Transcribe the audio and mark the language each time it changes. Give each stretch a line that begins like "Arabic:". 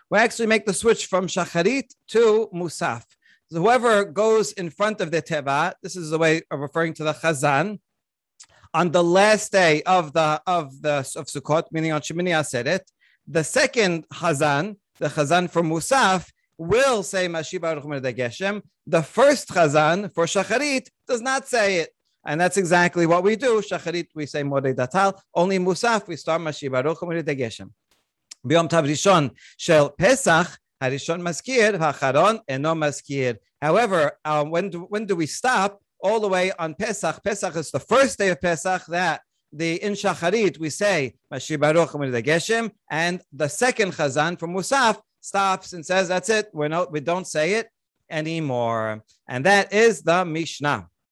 English: We actually make the switch from Shacharit to Musaf. So whoever goes in front of the Teva, this is the way of referring to the Chazan, on the last day of Sukkot, meaning on Shemini Aseret, the second Chazan, the Chazan for Musaf, will say Mashiv HaRuach Morid HaGeshem. The first Chazan for Shacharit does not say it. And that's exactly what we do. Shacharit, we say Morid HaTal. Only Musaf, we start Mashiv HaRuach Morid HaGeshem.
Hebrew: ביום טוב ראשון של פסח, הראשון מזכיר, האחרון אינו מזכיר.
English: However, when do we stop? All the way on Pesach. Pesach is the first day of Pesach that the in Shacharit we say Mashiach Baruch Hu Mevi Geshem, and the second Chazan from Musaf stops and says, "That's it. We don't say it anymore." And that is the Mishnah.